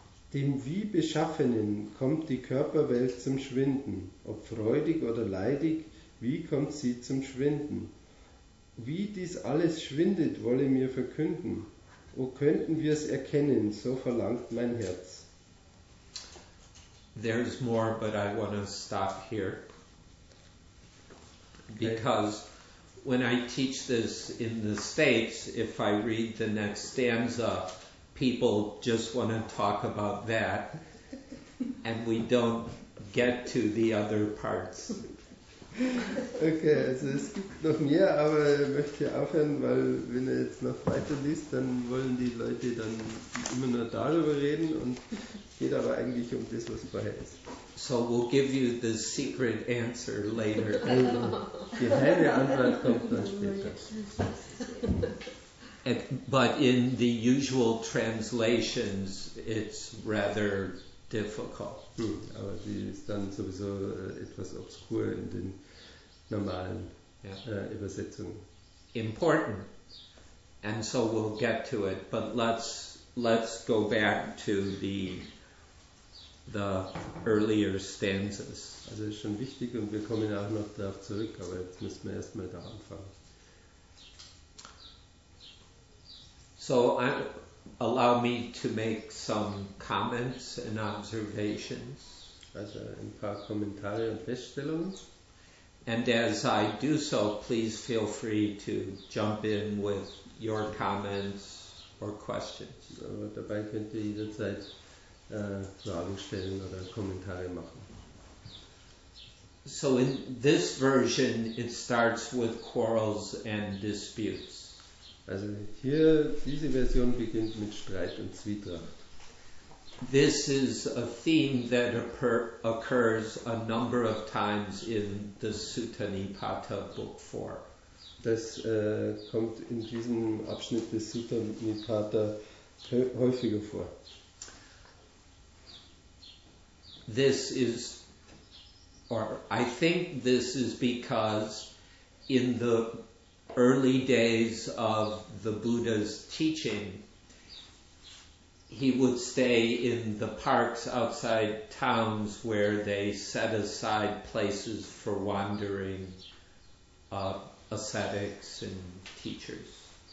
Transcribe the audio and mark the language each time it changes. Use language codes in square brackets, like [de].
[de] Dem wie Beschaffenen kommt die Körperwelt zum Schwinden, ob freudig oder leidig, wie kommt sie zum Schwinden? Wie dies alles schwindet, wolle mir verkünden. O könnten wir es erkennen, so verlangt mein Herz. [en] There's more, but I want to stop here. Because when I teach this in the States, if I read the next stanza, people just want to talk about that, and we don't get to the other parts. [de] Okay, also es gibt noch mehr, aber ich möchte hier aufhören, weil wenn er jetzt noch weiter liest, dann wollen die Leute dann immer nur darüber reden, und es geht aber eigentlich um das, was vorher ist. [en] So we'll give you the secret answer later. [de] Die heile Antwort kommt dann später. [en] But in the usual translations, it's rather difficult. [de] Aber sie ist dann sowieso etwas obskur in den normalen Übersetzungen. [en] Important. And so we'll get to it. But let's go back to the earlier stanzas. [de] Also ist schon wichtig und wir kommen auch noch darauf zurück, aber jetzt müssen wir erstmal da anfangen. [en] So allow me to make some comments and observations. [de] Also ein paar Kommentare und Feststellungen. [en] And as I do so, please feel free to jump in with your comments or questions. [de] Aber dabei könnt ihr jederzeit Fragen stellen oder Kommentare machen. [en] So in this version, it starts with quarrels and disputes. [de] Also hier, diese Version beginnt mit Streit und Zwietracht. [en] This is a theme that occurs a number of times in the Sutta-Nipata Book 4. [de] Das kommt in diesem Abschnitt des Sutta-Nipata häufiger vor. [en] This is, or I think this is because in the early days of the Buddha's teaching, he would stay in the parks outside towns where they set aside places for wandering ascetics and teachers.